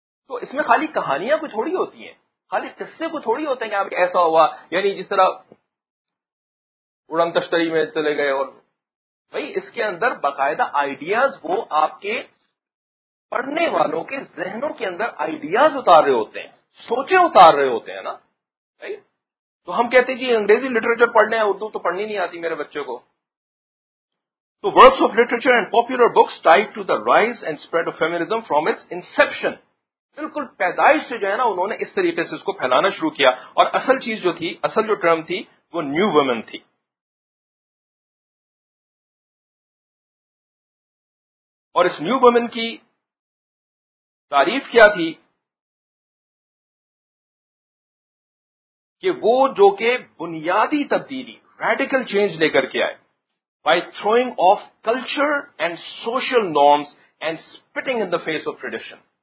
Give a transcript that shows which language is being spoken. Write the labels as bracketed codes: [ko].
[ur] تو اس میں خالی کہانیاں کچھ تھوڑی ہوتی ہیں, خالی قصے کچھ تھوڑی ہوتے ہیں کہ ایسا ہوا, یعنی جس طرح اڑن تشتری میں چلے گئے, اور بھائی اس کے اندر باقاعدہ آئیڈیاز وہ آپ کے پڑھنے والوں کے ذہنوں کے اندر آئیڈیاز اتار رہے ہوتے ہیں, سوچیں اتار رہے ہوتے ہیں نا. تو ہم کہتے ہیں جی انگریزی لٹریچر پڑھنے ہیں, اردو تو پڑھنی نہیں آتی میرے بچے کو. [en] The works of literature and popular books tied to the rise and spread of feminism from its inception. [ur] بالکل پیدائش سے جو ہے نا انہوں نے اس طریقے سے اس کو پھیلانا شروع کیا, اور اصل چیز جو تھی, اصل جو ٹرم تھی, وہ نیو وومن تھی. اور اس نیو وومن کی تعریف کیا تھی کہ وہ جو کہ بنیادی تبدیلی, ریڈیکل چینج لے کر کے آئے, [en] by throwing off culture and social norms and spitting in the face of tradition.